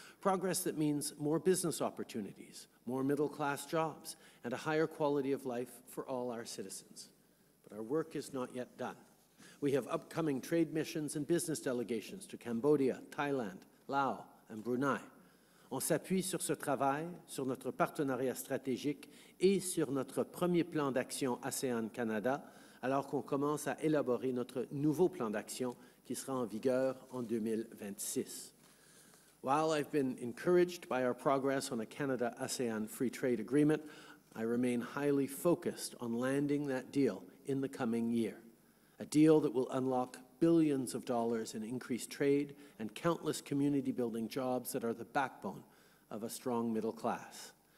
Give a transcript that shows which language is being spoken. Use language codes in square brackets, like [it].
[en] Progress that means more business opportunities, more middle-class jobs, and a higher quality of life for all our citizens. But our work is not yet done. We have upcoming trade missions and business delegations to Cambodia, Thailand, Laos, and Brunei. [fr] On s'appuie sur ce travail, sur notre partenariat stratégique et sur notre premier plan d'action ASEAN-Canada, alors qu'on commence à élaborer notre nouveau plan d'action qui sera en vigueur en 2026. [en] While I've been encouraged by our progress on a Canada-ASEAN free trade agreement, I remain highly focused on landing that deal in the coming year. A deal that will unlock billions of dollars in increased trade and countless community-building jobs that are the backbone of a strong middle class.